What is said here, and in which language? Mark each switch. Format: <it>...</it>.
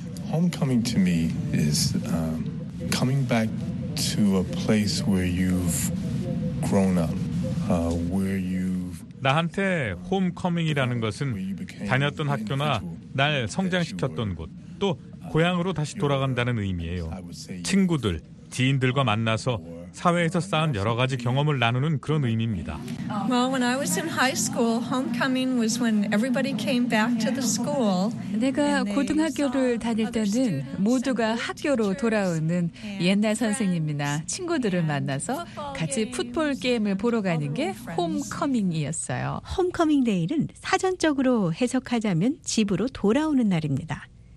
<en>홈커밍 to me is coming back to a place where you've grown up. Where you</en> <ko>나한테 홈커밍이라는 것은 다녔던 학교나 날 성장시켰던 곳, 또 고향으로 다시 돌아간다는 의미예요. 친구들, 지인들과 만나서 사회에서 쌓은 여러 가지 경험을 나누는 그런 의미입니다.</ko> <en>Well, when I was in high school, homecoming was when everybody came back to the school.</en> <ko>내가 고등학교를 다닐 때는 모두가 학교로 돌아오는 옛날 선생님이나 친구들을 만나서 같이 풋볼 게임을 보러 가는 게 홈커밍이었어요. 홈커밍 데이는 사전적으로 해석하자면 집으로 돌아오는 날입니다.</ko>